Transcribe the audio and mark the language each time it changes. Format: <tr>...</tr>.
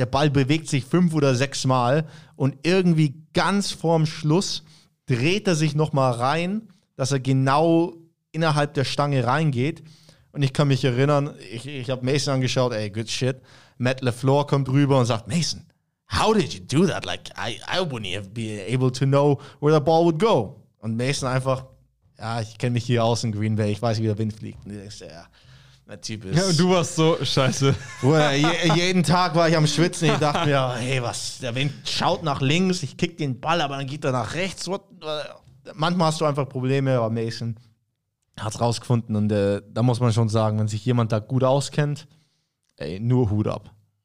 <de>Der Ball bewegt sich 5 oder 6 Mal. Und irgendwie ganz vorm Schluss dreht er sich nochmal rein, dass er genau innerhalb der Stange reingeht. Und ich kann mich erinnern, ich habe Mason angeschaut, ey,</de> <en>good shit. Matt LaFleur</en> <de>kommt rüber und sagt,</de> <en>Mason, how did you do that? Like, I wouldn't have been able to know where the ball would go.</en> <de>Und Mason einfach, ja, ich kenne mich hier aus in Green Bay, ich weiß, wie der Wind fliegt. Und ich denke, ja, der Typ ist... Ja, und du warst so, scheiße. Jeden Tag war ich am Schwitzen, ich dachte mir, hey, was, der Wind schaut nach links, ich kick den Ball, aber dann geht er nach rechts. Manchmal hast du einfach Probleme, aber Mason... hat es rausgefunden und da muss man schon sagen, wenn sich jemand da gut auskennt, ey, nur Hut ab.</de>